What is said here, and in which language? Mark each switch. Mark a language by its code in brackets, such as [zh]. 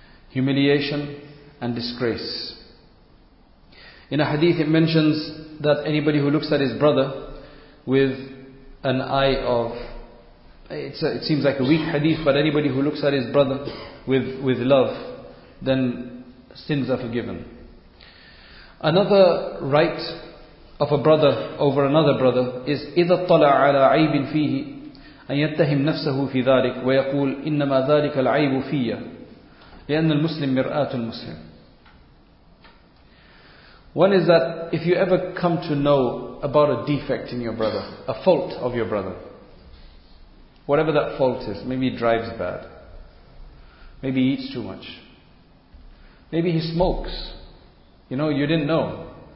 [en] Humiliation and disgrace. In a hadith it mentions that anybody who looks at his brother with an eye of... it seems like a weak hadith, but anybody who looks at his brother with love, then sins are forgiven. Another right of a brother over another brother is, [ar] إِذَا اطَّلَعَ عَلَىٰ عَيْبٍ فِيهِ أَنْ يَتَّهِمْ نَفْسَهُ فِي ذَلِكَ وَيَقُولْ إِنَّمَا ذَلِكَ الْعَيْبُ فِيَّ لِأَنَّ الْمُسْلِمْ مِرْآةُ الْمُسْلِمِ. [en] One is that if you ever come to know about a defect in your brother, a fault of your brother, whatever that fault is, maybe he drives bad, maybe he eats too much, maybe he smokes, you know, you didn't know.